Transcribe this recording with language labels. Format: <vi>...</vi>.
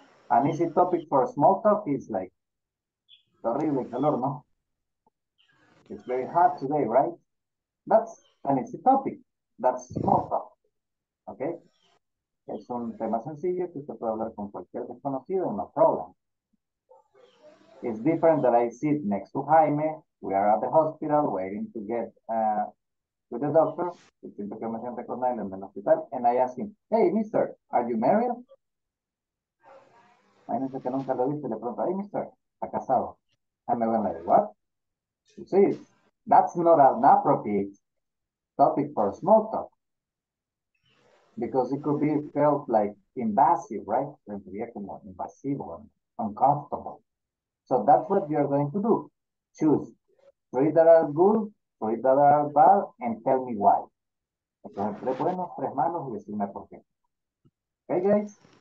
<en>An easy topic for small talk is like,</en> <es>terrible calor, ¿no?</es> <en>It's very hot today, right? That's an easy topic. That's small talk. Okay?</en> <es>Es un tema sencillo que usted puede hablar con cualquier desconocido,</es> <en>no problem. It's different that I sit next to Jaime. We are at the hospital waiting to get to the doctor.</en> <es>Siento que me siento con él en el hospital.</es> <en>And I ask him, hey, mister, are you married?</en> <es>Imagínese que nunca lo viste y le pregunto,</es> <en>hey, mister,</en> <es>¿está casado?</es> <en>And me went like, what? You see, that's not an appropriate topic for a small talk. Because it could be felt like invasive, right? Invasive and uncomfortable. So that's what you're going to do. Choose three that are good, three that are bad, and tell me why.</en> <es>Entonces, tres buenos, tres malos, y decirme por qué.</es> <en>Okay, guys?</en>